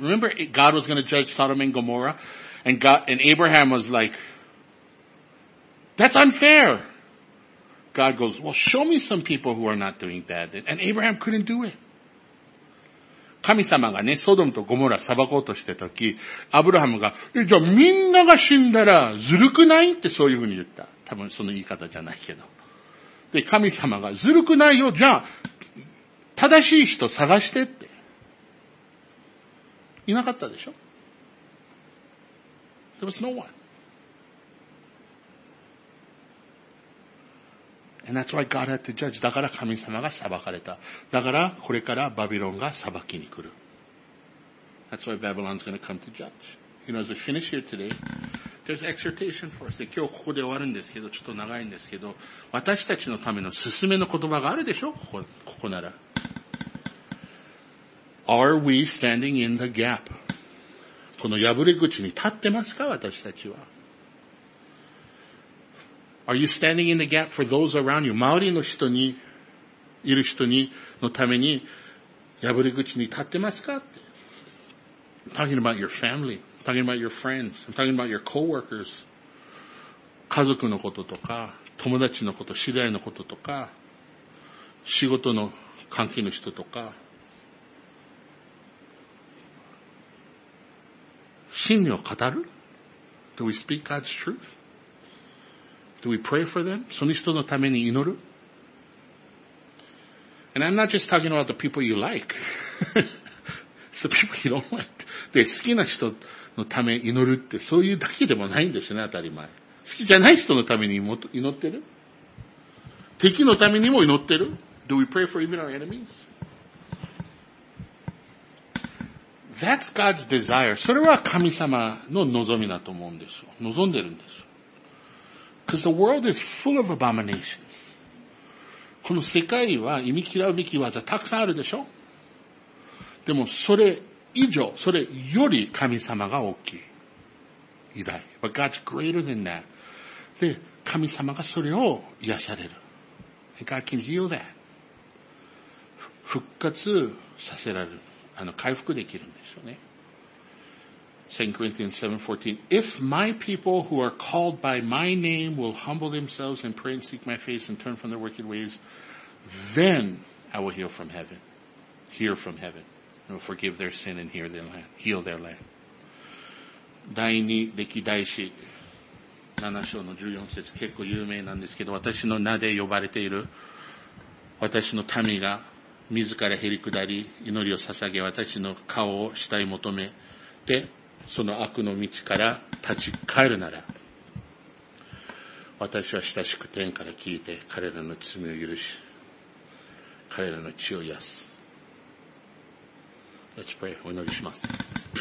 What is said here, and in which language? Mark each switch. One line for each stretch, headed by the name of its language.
English: Remember, God was going to judge Sodom and Gomorrah, and Abraham was like, that's unfair. God goes, well, show me some people who are not doing bad. And Abraham couldn't do it.
Japanese: 神様がね、ソドムとゴモラ裁こうとしてたとき、アブラハムが、え、じゃあみんなが死んだらずるくないってそういうふうに言った。多分その言い方じゃないけど。で、神様がずるくないよ、じゃあ、正しい人探してって。いなかったでしょ
English: ?There was no one. And that's why God had to judge.
Japanese: だから神様が裁かれた。だからこれからバビロンが裁きに来る。
English: That's why Babylon's gonna come to judge. You know, as we finish here today, there's exhortation for us.
Japanese: 今日ここで終わるんですけど、ちょっと長いんですけど、私たちのための勧めの言葉があるでしょ ここなら。
English: Are we standing in the gap?
Japanese: この破れ口に立ってますか私たちは。
English: Are you standing in the gap for those around you?
Japanese: 周りの人に、いる人に、のために破れ口に立ってますか
English: I'm talking about your family. I'm talking about your friends. I'm talking about your co-workers.
Japanese: 家族のこととか、友達のこと、知り合いのこととか、仕事の関係の人とか、真理を語る?
English: Do we speak God's truth? Do we pray for them?
Japanese: その人のために祈る?
English: And I'm not just talking about the people you like. It's the people you don't like.
Japanese: で、好きな人のため祈るってそういうだけでもないんですよね、当たり前。好きじゃない人のために祈ってる?敵のためにも祈ってる?
English: Do we pray for even our enemies? That's God's desire.
Japanese: それは神様の望みだと思うんですよ。望んでるんですよ。
English: Because the world is full of abominations.
Japanese: この世界は忌み嫌うべき技たくさんあるでしょ?でもそれ以上、それより神様が大きい。偉大。
English: But God's greater than that.
Japanese: で、神様がそれを癒される。
English: And God can heal that.
Japanese: 復活させられる。回復できるんですよね。
English: 2 Corinthians 7:14 If my people who are called by my name will humble themselves and pray and seek my face and turn from their wicked ways, then I will heal from heaven. Hear from heaven. And will forgive their sin and hear their land, heal their land.
Japanese: 第二歴代史7章の14節結構有名なんですけど、私の名で呼ばれている私の民が自らへり下り、祈りを捧げ、私の顔を慕い求めて、その悪の道から立ち返るなら、私は親しく天から聞いて、彼らの罪を許し、彼らの血を癒す。
English: Let's pray.
Japanese: お祈りします。